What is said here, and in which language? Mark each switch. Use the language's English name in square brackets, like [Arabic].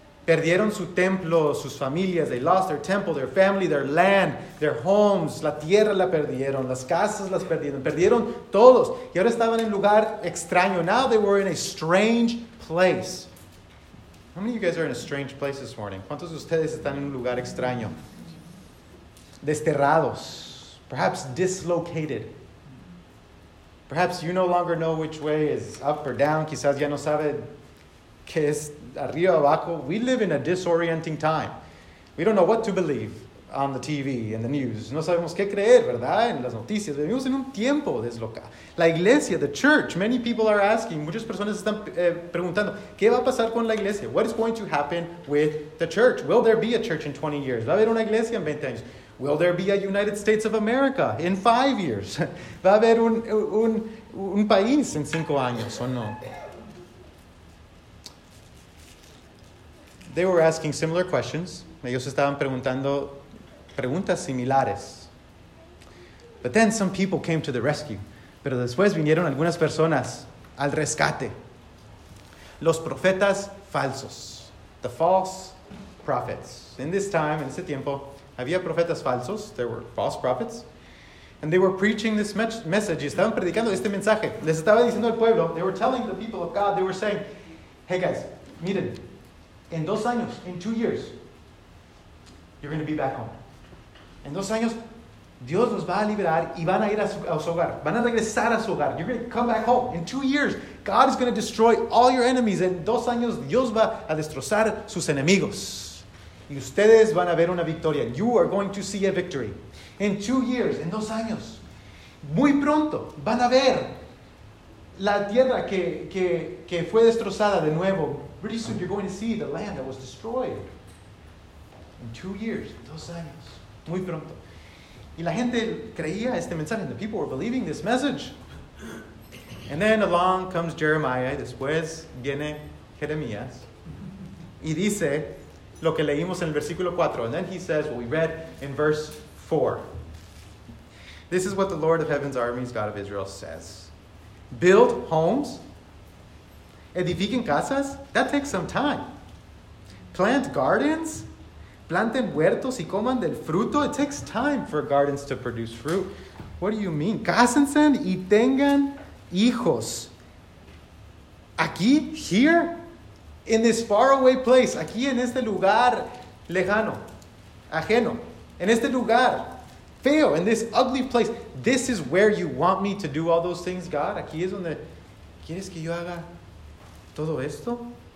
[Spanish] Perdieron su templo, sus familias. [English] They lost their temple, their family, their land, their homes. [Spanish] La tierra la perdieron. Las casas las perdieron. Perdieron todos. Y ahora estaban en lugar extraño. [English] Now they were in a strange place. How many of you guys are in a strange place this morning? [Spanish] ¿Cuántos de ustedes están en un lugar extraño? Desterrados. [English] Perhaps dislocated. Perhaps you no longer know which way is up or down. [Spanish] Quizás ya no sabe qué es arriba abajo. [English] We live in a disorienting time. We don't know what to believe on the TV and the news. [Spanish] No sabemos qué creer, ¿verdad? En las noticias. Vivimos en un tiempo deslocado. La iglesia, [English] the church, many people are asking, [Spanish] muchas personas están preguntando, ¿qué va a pasar con la iglesia? [English] What is going to happen with the church? Will there be a church in 20 years? [Spanish] ¿Va a haber una iglesia en 20 años? [English] Will there be a United States of America in 5 years? [Spanish] ¿Va a haber un país en 5 años o no? [English] They were asking similar questions. [Spanish] Ellos estaban preguntando preguntas similares. [English] But then some people came to the rescue. [Spanish] Pero después vinieron algunas personas al rescate. Los profetas falsos. [English] The false prophets. In this time, [Spanish] en ese tiempo, había profetas falsos. [English] There were false prophets. And they were preaching this message. [Spanish] Y estaban predicando este mensaje. Les estaba diciendo al pueblo. [English] They were telling the people of God. They were saying, hey guys, [Spanish] miren. En 2 años, [English] in 2 years, you're going to be back home. [Spanish] En 2 años, Dios los va a liberar y van a ir a su hogar. Van a regresar a su hogar. [English] You're going to come back home. In 2 years, God is going to destroy all your enemies. [Spanish] En 2 años, Dios va a destrozar sus enemigos. Y ustedes van a ver una victoria. [English] You are going to see a victory. In 2 years, [Spanish] en 2 años, muy pronto, van a ver la tierra que fue destrozada de nuevo. [English] Pretty soon you're going to see the land that was destroyed. In 2 years, [Spanish] 2 años, muy pronto. Y la gente creía este mensaje. [English] The people were believing this message. And then along comes Jeremiah. [Spanish] Después viene Jeremías. Y dice lo que leímos en el versículo 4. [English] And then he says what we read in verse 4. This is what the Lord of Heaven's armies, God of Israel, says. Build homes. [Spanish] Edifiquen casas. [English] That takes some time. Plant gardens. [Spanish] Planten huertos y coman del fruto. [English] It takes time for gardens to produce fruit. What do you mean? [Spanish] Cásense y tengan hijos. Aquí, [English] here, [Spanish] in this faraway place. Aquí en este lugar lejano, ajeno. En este lugar feo, [English] in this ugly place. This is where you want me to do all those things, God. [Spanish] Aquí es donde quieres que yo haga todo esto.